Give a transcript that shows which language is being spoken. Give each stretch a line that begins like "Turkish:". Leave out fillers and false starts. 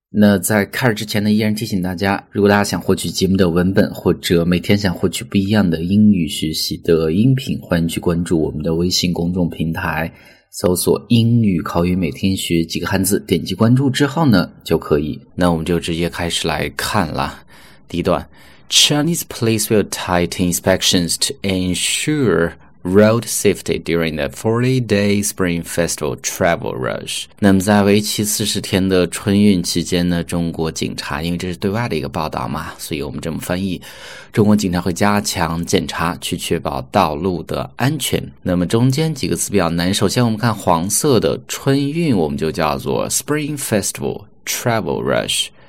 Chinese: 那在开始之前呢，依然提醒大家，如果大家想获取节目的文本，或者每天想获取不一样的英语学习的音频，欢迎去关注我们的微信公众平台，搜索英语口语每天学几个汉字，点击关注之后呢，就可以。那我们就直接开始来看啦。
English: 第一段，Chinese police will tighten inspections to ensure road safety during the 40-day Spring Festival travel rush。
Chinese: 那么在为期40天的春运期间呢，中国警察，因为这是对外的一个报道嘛，所以我们这么翻译，中国警察会加强检查，去确保道路的安全。那么中间几个词比较难，首先我们看黄色的春运，我们就叫做 Spring Festival travel rush。